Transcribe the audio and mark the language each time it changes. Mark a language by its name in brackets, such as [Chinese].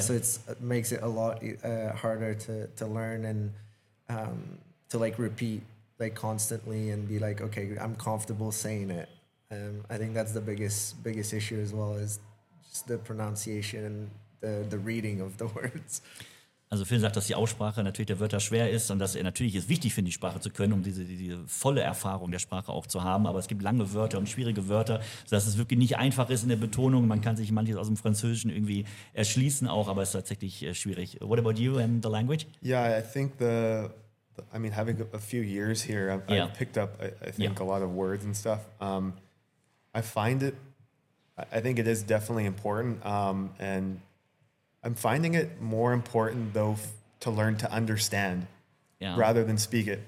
[English] So it makes it a lot harder to learn and to like repeat like constantly and be like, okay, I'm comfortable saying it. I think that's the biggest issue as well, is the pronunciation and the reading of the words. [German] Also Finn sagt, dass die Aussprache natürlich der Wörter schwer ist und dass er natürlich ist wichtig, finde ich, Sprache zu können, um diese volle Erfahrung der Sprache auch zu haben. Aber es gibt lange Wörter und schwierige Wörter, sodass es wirklich nicht einfach ist in der Betonung. Man kann sich manches aus dem Französischen irgendwie erschließen auch, aber es ist tatsächlich schwierig. [English] What about you and the language? Yeah, I think having a few years here, I've picked up, a lot of words and stuff. I think it is definitely important, and I'm finding it more important, though, to learn to understand rather than speak it.